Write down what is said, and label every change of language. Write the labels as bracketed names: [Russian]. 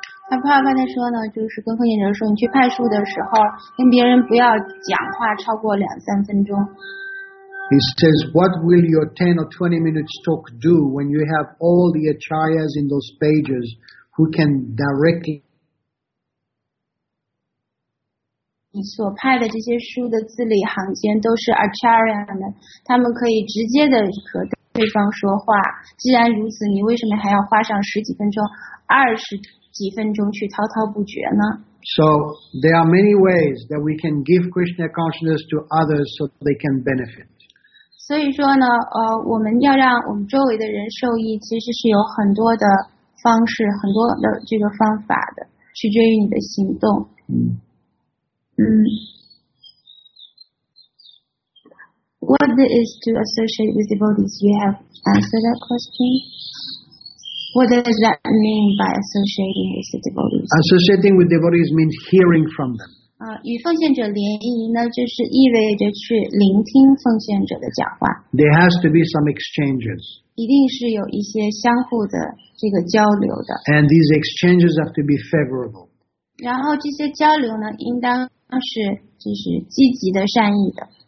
[Chinese] 他帕帕的说呢，就是跟奉献者说，你去派书的时候，跟别人不要讲话超过两三分钟。 [English] He says, "What will your 10 or 20 minutes talk do when you have all the acharyas in those pages who can directly?" [Chinese] 你所派的这些书的字里行间都是 acharya 们，他们可以直接的和对方说话。既然如此，你为什么还要花上十几分钟？二十几分钟去滔滔不绝呢？ [English] So there are many ways that we can give Krishna consciousness to others so they can benefit. [Chinese] 所以说呢，我们要让我们周围的人受益，其实是有很多的方式，很多的这个方法的，取决于你的行动。 [English] What is to associate with devotees? You have answered that question. What does that mean by associating with the devotees? Associating with devotees means hearing from them. [Chinese] 与奉献者联谊呢，就是意味着去聆听奉献者的讲话。 [English] There has to be some exchanges. [Chinese] 一定是有一些相互的这个交流的。 [English] And these exchanges have to be favorable. [Chinese] 然后这些交流呢，应当是就是积极的、善意的。